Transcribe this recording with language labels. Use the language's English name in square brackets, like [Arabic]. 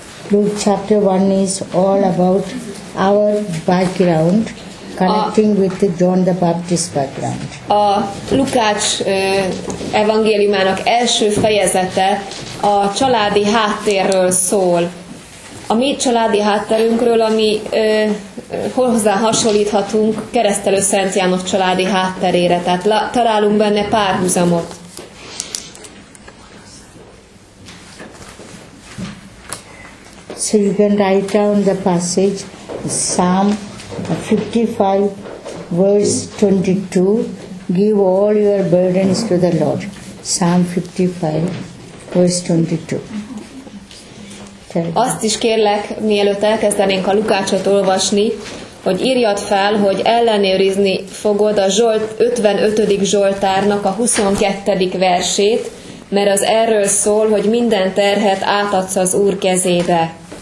[English] Luke chapter 1 is all about our background connecting with John the Baptist background. [Hungarian] A Lukács evangéliumának első fejezete a családi háttérről szól. A mi családi hátterünkről, ami hozzá hasonlíthatunk Keresztelő Szent János családi hátterére, tehát találunk benne párhuzamot. [English] So you can write down the passage, Psalm 55, verse 22, give all your burdens to the Lord. Psalm 55, verse 22. [Hungarian] Azt is kérlek, mielőtt elkezdenénk a Lukácsot olvasni, hogy írjad fel, hogy ellenőrizni fogod a Zsolt 55. Zsoltárnak a 22. versét, mert az erről szól, hogy minden terhet átadsz az Úr kezébe.